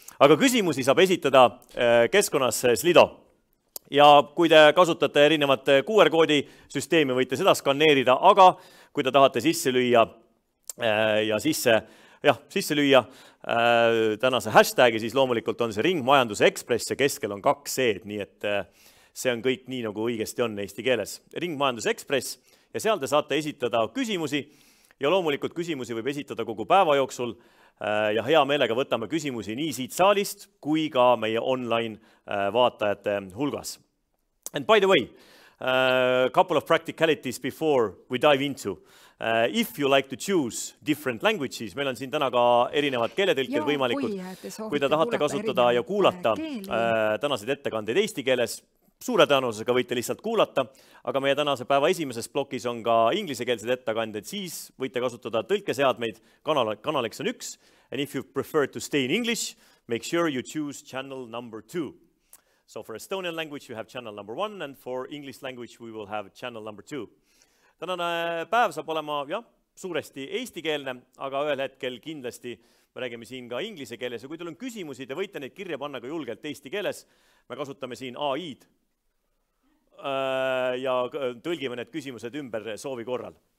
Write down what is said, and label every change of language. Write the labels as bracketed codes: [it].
[et] Aga küsimusi saab esitada keskkonnas Slido. Ja kui te kasutate erinevat QR-koodi süsteemi, võite seda skanneerida, aga kui te tahate sisse lüüa ja sisse lüüa tänase hashtagi, siis loomulikult on see ringmajanduse ekspress ja keskel on kaks C-d, nii et see on kõik nii nagu õigesti on eesti keeles. Ringmajanduse ekspress ja seal te saate esitada küsimusi ja loomulikult küsimusi võib esitada kogu päeva jooksul. Ja hea meelega võtame küsimusi nii siit saalist, kui ka meie online vaatajate hulgas. [en] And by the way, couple of practicalities before we dive into. If you like to choose different languages, [et] meil on siin täna ka erinevad keeletõlked võimalikud. Kui te tahate kasutada ja kuulata tänased ettekandeid eesti keeles, suure tõenäosusega võite lihtsalt kuulata, aga meie tänase päeva esimeses blokis on ka inglisekeelsed ettekanded, siis võite kasutada tõlkeseadmeid, kanaleks on üks. [en] And if you prefer to stay in English, make sure you choose channel number 2. So for Estonian language you have channel number 1 and for English language we will have channel number 2. [et] Tänane päev saab olema suuresti eestikeelne, aga ühel hetkel kindlasti me räägime siin ka inglise keeles ja kui teil on küsimusi, te võite neid kirja panna ka julgelt eesti keeles. Me kasutame siin AI-d ja tõlgime need küsimused ümber soovi korral.